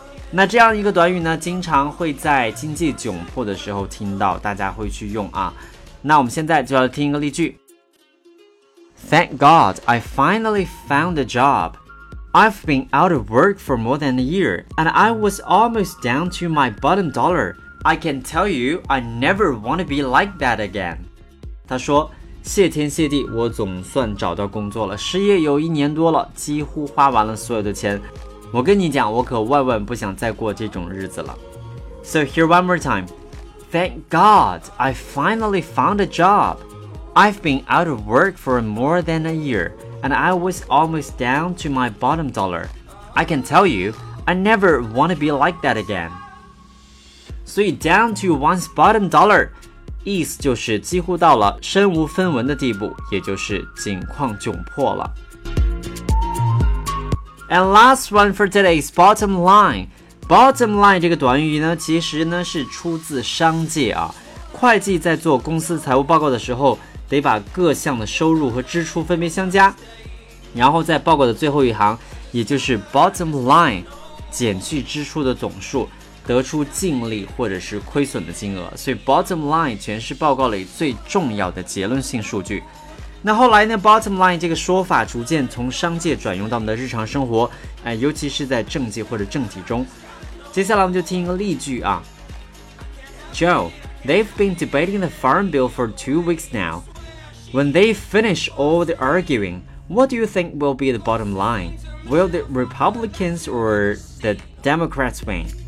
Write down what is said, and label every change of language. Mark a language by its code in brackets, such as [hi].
[zh] 那这样一个短语呢经常会在经济窘迫的时候听到，大家会去用啊。那我们现在就要听一个例句。 [en] Thank God, I finally found a job. I've been out of work for more than a year, and I was almost down to my bottom dollar. I can tell you, I never want to be like that again. [zh] 他说，谢天谢地，我总算找到工作了，失业有一年多了，几乎花完了所有的钱。我跟你讲，我可万万不想再过这种日子了。 [en] So here one more time. Thank God, I finally found a job. I've been out of work for more than a year. And I was almost down to my bottom dollar. I can tell you, I never want to be like that again. [zh] 所以 down to one's bottom dollar 意思就是几乎到了身无分文的地步，也就是境况窘迫了。 [en] And last one for today is bottom line. [zh] Bottom line 这个短语呢，其实呢是出自商界啊。会计在做公司财务报告的时候，得把各项的收入和支出分别相加，然后在报告的最后一行，也就是 bottom line 减去支出的总数，得出净利或者是亏损的金额。所以 bottom line 全是报告里最重要的结论性数据。那后来呢， bottom line 这个说法逐渐从商界转用到我们的日常生活，尤其是在政界或者政体中。接下来我们就听一个例句啊。 [en] Joe, they've been debating the farm bill for 2 weeks now. When they finish all the arguing, what do you think will be the bottom line? Will the Republicans or the Democrats win?